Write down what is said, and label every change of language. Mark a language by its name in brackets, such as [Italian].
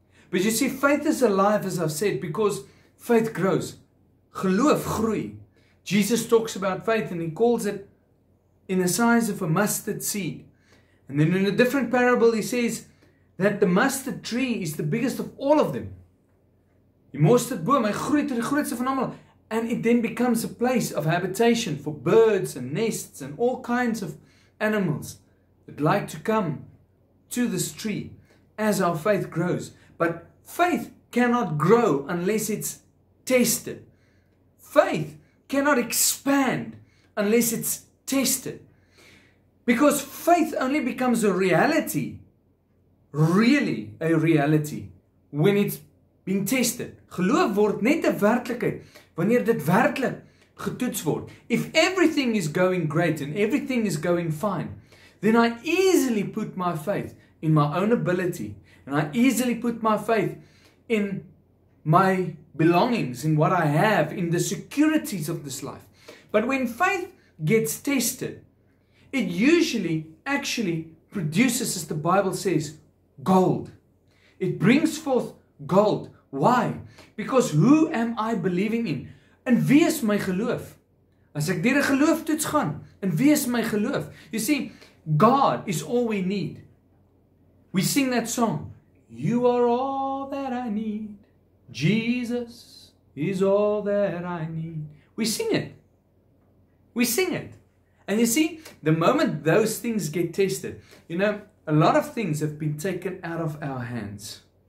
[English] But you see, faith is alive, as I've said, because faith grows. [Afrikaans] Geloof groei. [English] Jesus talks about faith and He calls it in the size of a mustard seed. And then in a different parable, He says that the mustard tree is the biggest of all of them. [Afrikaans] Die mosterd boom, hy groei tot die grootste van almal. [English] And it then becomes a place of habitation for birds and nests and all kinds of animals that like to come to this tree as our faith grows. But faith cannot grow unless it's tested. Faith cannot expand unless it's tested. Because faith only becomes a reality, really a reality, when it's been tested. [Afrikaans] Geloof word net 'n werklikheid wanneer dit werklik getoets word. [English] If everything is going great and everything is going fine, then I easily put my faith in my own ability, and I easily put my faith in my belongings, in what I have, in the securities of this life. But when faith gets tested, it usually actually produces, as the Bible says, gold. It brings forth gold. Why? Because who am I believing in? [Afrikaans] En wie is my geloof? As ek deur 'n geloofstoets gaan, en wie is my geloof? [English] You see, God is all we need. We sing that song. You are all that I need. Jesus is all that I need. We sing it. We sing it. And you see, the moment those things get tested, you know, a lot of things have been taken out of our hands.